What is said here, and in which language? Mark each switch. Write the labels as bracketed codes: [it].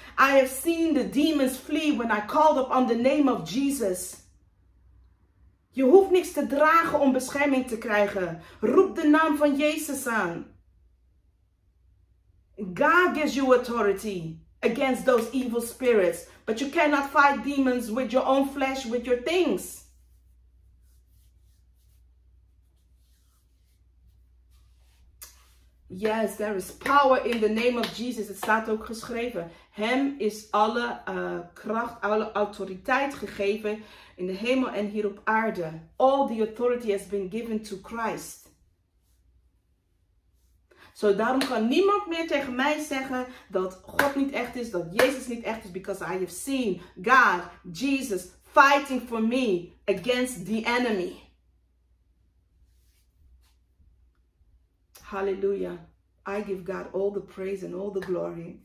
[en] I have seen the demons flee when I called up on the name of Jesus. [nl] Je hoeft niks te dragen om bescherming te krijgen. Roep de naam van Jezus aan. [en] God gives you authority against those evil spirits. But you cannot fight demons with your own flesh, with your things. Yes, there is power in the name of Jesus. [nl] Het staat ook geschreven. Hem is alle kracht, alle autoriteit gegeven in de hemel en hier op aarde. [en] All the authority has been given to Christ. [nl] So, daarom kan niemand meer tegen mij zeggen dat God niet echt is, dat Jezus niet echt is. [en] Because I have seen God, Jesus, fighting for me against the enemy. Hallelujah. I give God all the praise and all the glory.